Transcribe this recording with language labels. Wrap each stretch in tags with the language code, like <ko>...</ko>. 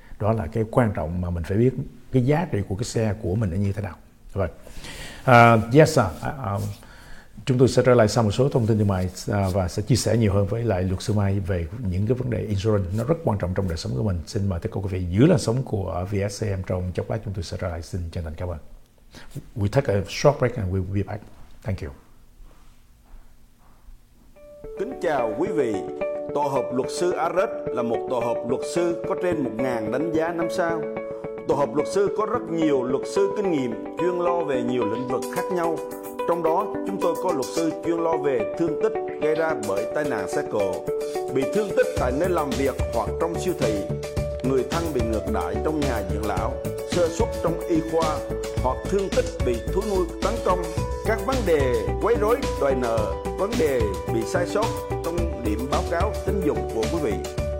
<vi>Đó là cái quan trọng mà mình phải biết cái giá trị của cái xe của mình nó như thế nào. Vậy.</vi> <en>Yes sir,</en> <vi>chúng tôi sẽ trở lại sau một số thông tin thương mại và sẽ chia sẻ nhiều hơn với lại luật sư Mai về những cái vấn đề insurance nó rất quan trọng trong đời sống của mình. Xin mời tất cả quý vị giữ làn sóng của VSCM trong chốc lát, chúng tôi sẽ trở lại. Xin chân thành cảm ơn.</vi> <en>We take a short break and we will be back. Thank you.</en> <vi>Kính chào quý vị. Tổ hợp luật sư Arad là một tổ hợp luật sư có trên 1.000 đánh giá 5 sao. Tổ hợp luật sư có rất nhiều luật sư kinh nghiệm chuyên lo về nhiều lĩnh vực khác nhau. Trong đó, chúng tôi có luật sư chuyên lo về thương tích gây ra bởi tai nạn xe cộ, bị thương tích tại nơi làm việc hoặc trong siêu thị, người thân bị ngược đãi trong nhà dưỡng lão, sơ suất trong y khoa hoặc thương tích bị thú nuôi tấn công, các vấn đề quấy rối đòi nợ, vấn đề bị sai sót trong điểm báo cáo tín dụng của quý vị.</vi>